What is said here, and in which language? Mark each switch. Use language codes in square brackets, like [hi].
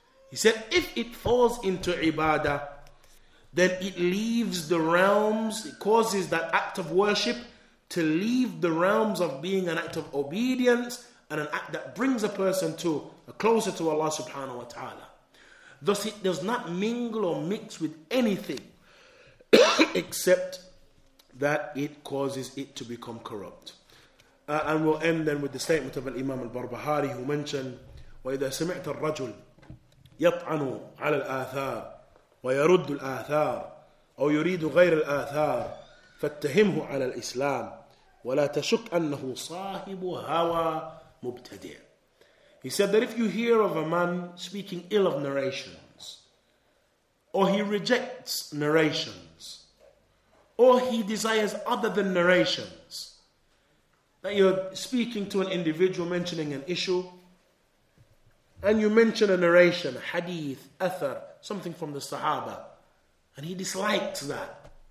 [en] He said, if it falls into ibadah, then it leaves the realms, it causes that act of worship to leave the realms of being an act of obedience and an act that brings a person to closer to Allah subhanahu wa ta'ala. Thus it does not mingle or mix with anything except that it causes it to become corrupt. And we'll end then with the statement of Al-Imam Al-Barbahari, who mentioned, [ar] وَإِذَا سَمِعْتَ الرَّجُلْ يَطْعَنُوا عَلَى الْآثَارِ ويرد الآثار أو يريد غير الآثار فاتهمه على الإسلام ولا تشك أنه صاحب هوى مبتدع. [en] He said that if you hear of a man speaking ill of narrations, or he rejects narrations, or he desires other than narrations, that you're speaking to an individual mentioning an issue, and you mention a narration, hadith, athar, something from the Sahaba, and he dislikes that,